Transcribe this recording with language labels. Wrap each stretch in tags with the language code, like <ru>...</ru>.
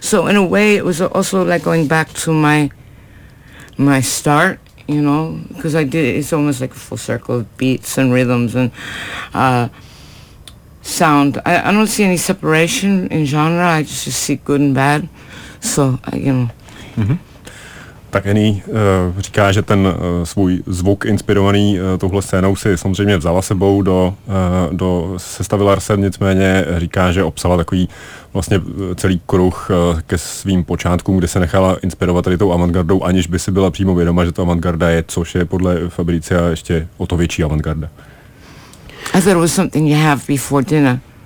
<en>So in a way, it was also like going back to my start, you know, because I did, it's almost like a full circle of beats and rhythms and sound. I don't see any separation in genre, I just see good and bad. So, you know... Mm-hmm.</en> <cs>Tak Annie říká, že ten svůj zvuk inspirovaný touhle scénou si samozřejmě vzala sebou do sestavy Larsen, nicméně říká, že obsala takový vlastně celý kruh ke svým počátkům, kde se nechala inspirovat tady tou avantgardou, aniž by si byla přímo vědoma, že to avantgarda je, což je podle Fabricia ještě o to větší avantgarda.</cs> <en>I thought it was something you have before dinner.</en>